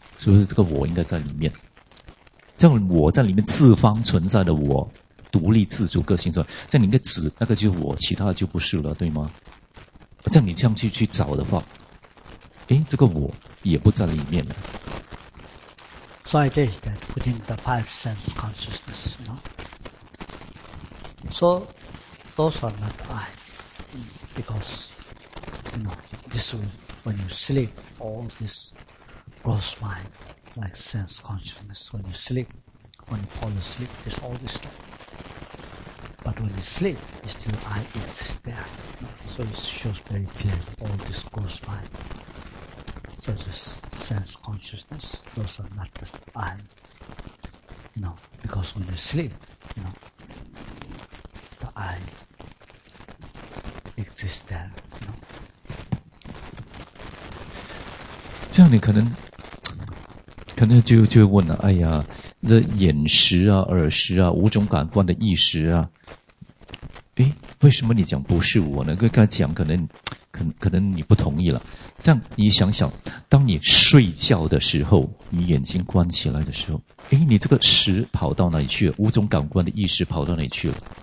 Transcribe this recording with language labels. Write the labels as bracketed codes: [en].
[zh] 是不是这个我应该在里面？这样我在里面自方存在的我。独立自主个性说，这样你应该指那个就是我，其他的就不是了，对吗？这样你这样去找的话，哎，这个我也不在里面了。 [en] So I did that within the five sense consciousness, you know. So those are not I, because you know this will, when you sleep, all this gross mind, like sense consciousness, when you sleep, when you fall asleep, there's all this stuff. But when you sleep, you still I exist there. So it shows very clearly all this goes by. So this sense consciousness, those are not the I. You know, because when you sleep, you know, the I exists there. You know? [zh] 这样你可能就会问了，哎呀，那眼识啊、耳识啊、五种感官的意识啊，诶，为什么你讲不是我呢？跟刚才讲可能你不同意了。这样你想想，当你睡觉的时候，你眼睛关起来的时候，诶，你这个识跑到哪里去了？五种感官的意识跑到哪里去了？